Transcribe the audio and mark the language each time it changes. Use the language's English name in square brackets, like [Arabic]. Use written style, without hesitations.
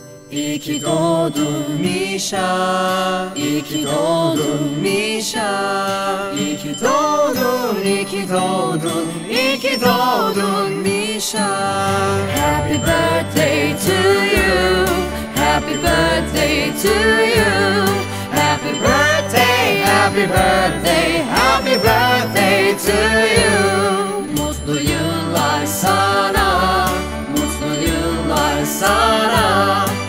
[Turkish] İyi ki doğdun Mişa, iyi ki doğdun Mişa, iyi ki doğdun, iyi ki doğdun, iyi ki doğdun Mişa. [English] Happy birthday to you, happy birthday to you, happy birthday, happy birthday, happy birthday to you. [Turkish] Mutlu yıllar sana, mutlu yıllar sana.